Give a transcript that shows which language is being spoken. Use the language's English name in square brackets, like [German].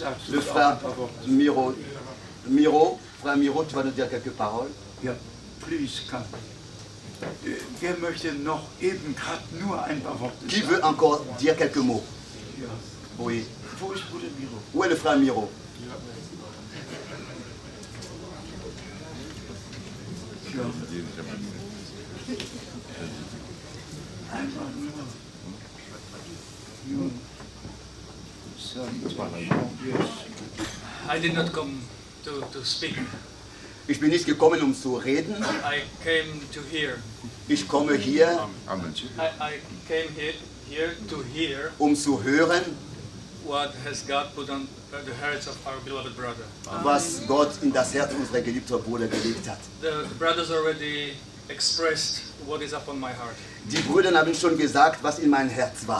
[French] Le frère Miro, tu vas nous dire quelques paroles. [English] Ja, please come. [German] Wer möchte noch eben gerade nur ein paar Worte sagen? [French] Qui veut encore dire quelques mots? [German] Ja. [French] Oui. [German] Wo ist Bruder Miro? [French] Où est le frère Miro? [German] Ja. Ja. Einfach nur. [English] I did not come to speak. [German] Ich bin nicht gekommen, um zu reden. [English] I came to hear. [German] Ich komme hier. Amen. [English] I came here to hear. [German] Um zu hören. [English] What has God put on the hearts of our beloved brother? [German] Was Gott in das Herz unserer geliebten Brüder gelegt hat. [English] The brothers already expressed what is upon my heart. [German] Die Brüder haben schon gesagt, was in meinem Herz war.